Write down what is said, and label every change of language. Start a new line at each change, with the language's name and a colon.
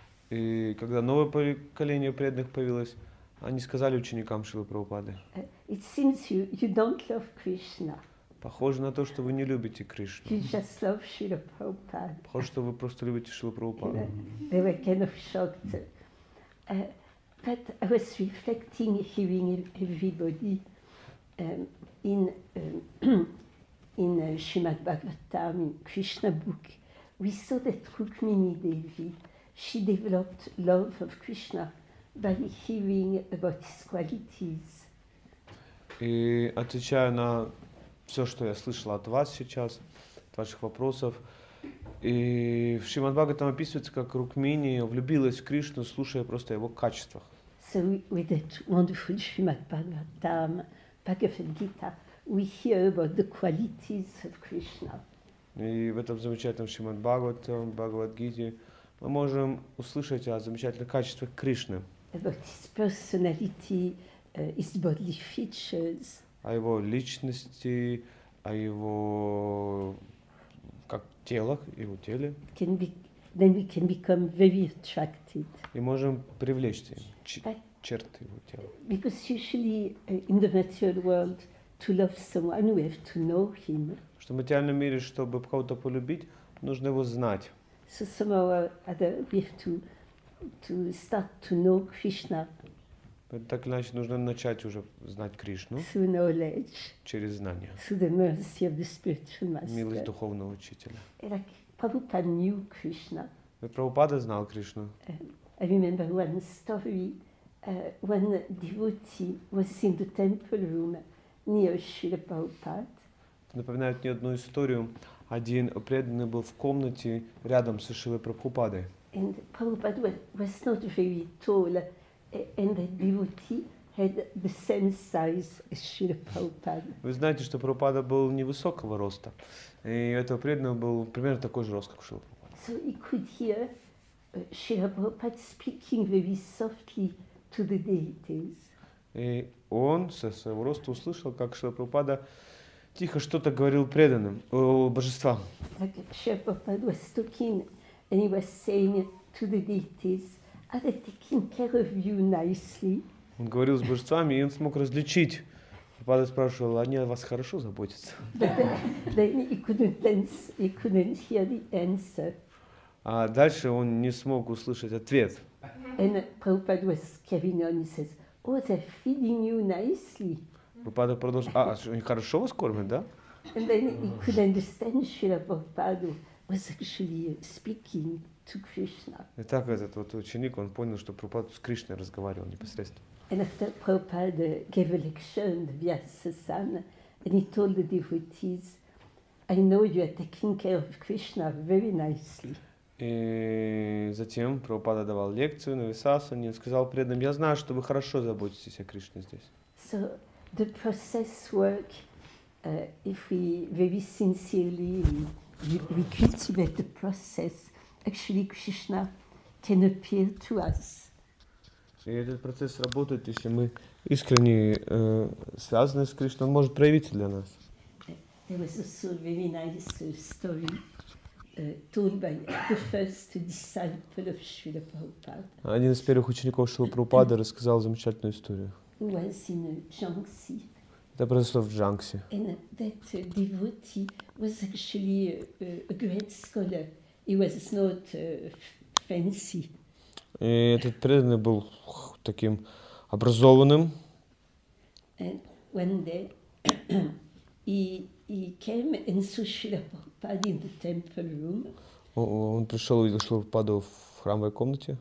Russian: И когда новое поколение преданных появилось, они сказали ученикам Шрилы Прабхупады.
English: It seems you don't love Krishna.
Russian: Похоже на то, что вы не любите Кришну.
English: You just love Srila Prabhupada.
Russian: Похоже, что вы просто любите Шрилу Прабхупаду.
English: They were kind of shocked. But I was reflecting, hearing everybody in Srimad Bhagavatam, in Krishna book, we saw that Rukmini Devi, she developed love of Krishna by hearing about his qualities.
Russian: И отвечая на все, что я слышала от вас сейчас, от ваших вопросов. И в Шримад Бхагаватам описывается, как Рукмини влюбилась в Кришну, слушая просто о его качествах.
English: So with that wonderful Shrimad Bhagavatam, Bhagavad Gita, we hear about the qualities of Krishna.
Russian: И в этом замечательном Шримад Бхагаватам, Бхагавад Гите, мы можем услышать о замечательных качествах Кришны.
English: About his personality, his bodily features.
Russian: О его личности, о его как телах, его теле.
English: Can be, then we can become very attracted.
Russian: И можем привлечь черты его тела.
English: Because usually in the material world to love someone we have to know him.
Russian: Что в материальном мире, чтобы кого-то полюбить, нужно его знать.
English: So somehow or other we have to start to know Krishna.
Russian: Так иначе нужно начать уже знать Кришну через знание.
English: Through the mercy of the spiritual master.
Russian: Милость духовного учителя.
English: Like, Prabhupada knew Krishna.
Russian: Прабхупада знал Кришну.
English: I remember one story when a devotee was in the temple room near Srila Prabhupada.
Russian: напоминает мне одну историю. Один преданный был в комнате рядом с Шрилой Прабхупадой.
English: And Prabhupada was not very tall, and the devotee had the same size as Srila Prabhupada.
Russian: Вы знаете, что Прабхупада был невысокого роста, и этого преданного был примерно такой же рост, как Шрила Прабхупада.
English: So he could hear Srila Prabhupada speaking very softly to the deities.
Russian: И он со своего роста услышал, как Шрила Прабхупада тихо что-то говорил преданным, божествам.
English: Like Srila Prabhupada was talking. And he was saying to the deities, "Are they taking care of you nicely?"
Russian: Он говорил с божествами, и он смог различить. Прабхупада спрашивал, они о вас хорошо заботятся.
English: Then he couldn't hear the answer.
Russian: А дальше он не смог услышать ответ.
English: And Prabhupada was carrying on. He says, "Oh, they're feeding you nicely."
Russian: Прабхупада продолжил, а они хорошо вас кормят, да?
English: And then he could understand Srila Prabhupada. Was actually speaking to Krishna.
Russian: И так этот вот ученик, он понял, что Прабхупада с Кришной разговаривал непосредственно.
English: And after Prabhupada gave a lecture on the Vyasasana, and he told the devotees, "I know you are taking care of Krishna very nicely."
Russian: И затем Прабхупада давал лекцию на Висасане, и сказал преданным, "Я знаю, что вы хорошо заботитесь о Кришне здесь."
English: So the process work, if we very sincerely. We cultivate the process. Actually, Krishna can appear to us.
Russian: И этот процесс работает, если мы искренне связаны с Кришной, он может проявиться для нас.
English: There was also a very nice story told by the first disciple of Srila Prabhupada.
Russian: Один из первых учеников Шрилы Прабхупады рассказал замечательную историю.
English: He was in Jhansi.
Russian: Это произошло в Джанксе.
English: And that devotee was actually a great scholar. He was not fancy.
Russian: И этот преданный был таким образованным.
English: And one day he came and saw Srila Prabhupada in the temple room.
Russian: Он пришел и увидел Шрилу Прабхупаду в храмовой комнате.